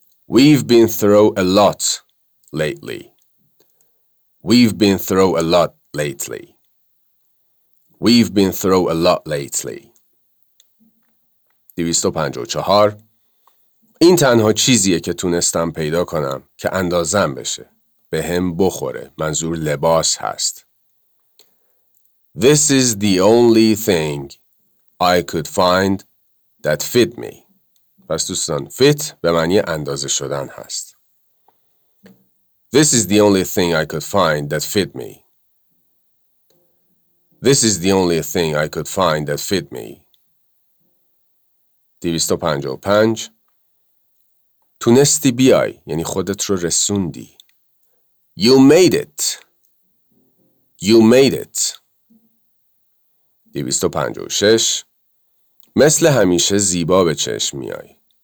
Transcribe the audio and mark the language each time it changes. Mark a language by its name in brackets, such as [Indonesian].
[English] We've been through a lot lately. We've been through a lot lately. We've been through a lot lately. 254. [Persian] این تنها چیزیه که تونستم پیدا کنم که اندازم بشه. به هم بخوره. منظور لباس هست. [English] This is the only thing I could find that fit me. [Persian] پس دوستان fit به معنی اندازه شدن هست. [English] This is the only thing I could find that fit me. This is the only thing I could find that fit me. [Persian] 255. تونستی بیای یعنی خودت رو رسوندی. [English] You made it. You made it. [Persian] 256. مثل همیشه زیبا به چشم میای.